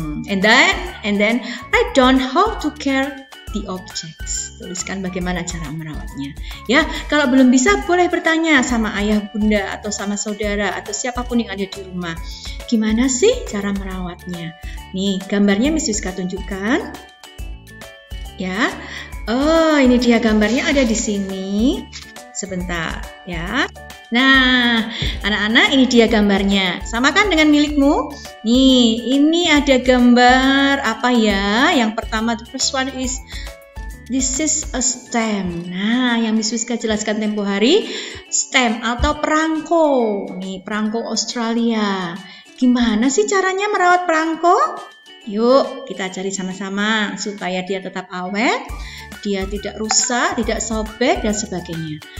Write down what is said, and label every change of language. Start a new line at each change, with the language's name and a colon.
English: And then write down how to care the objects.
Indonesian: Tuliskan bagaimana cara merawatnya ya. Kalau belum bisa boleh bertanya sama ayah, bunda, atau sama saudara, atau siapapun yang ada di rumah, gimana sih cara merawatnya. Nih gambarnya Miss Wiska tunjukkan ya. Oh ini dia gambarnya, ada di sini. Sebentar ya. Nah, anak-anak ini dia gambarnya. Samakan dengan milikmu. Nih, ini ada gambar apa ya? Yang pertama,
English: the first one is this is a stem.
Indonesian: Nah, yang Miss Wiska jelaskan tempo hari, stem atau perangko. Nih, perangko Australia. Gimana sih caranya merawat perangko? Yuk, kita cari sama-sama supaya dia tetap awet, dia tidak rusak, tidak sobek dan sebagainya.